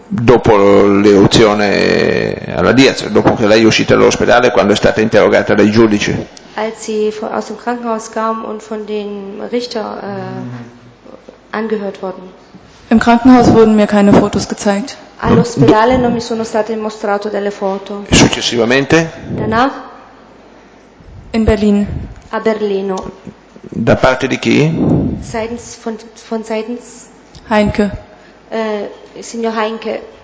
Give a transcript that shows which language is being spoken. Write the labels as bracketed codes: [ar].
[it] Dopo l'eruzione alla Diaz, dopo che lei è uscita dall'ospedale, quando è stata interrogata dai giudici. [de] Als sie aus dem Krankenhaus kam und von den Richter angehört worden. Im Krankenhaus wurden mir keine Fotos gezeigt. [it] All'ospedale non mi sono state mostrate delle foto. Successivamente? [de] Danach? In Berlin. [it] A Berlino. Da parte di chi? [de] Seitens von seitens Heinke. [it] Signor Heinke.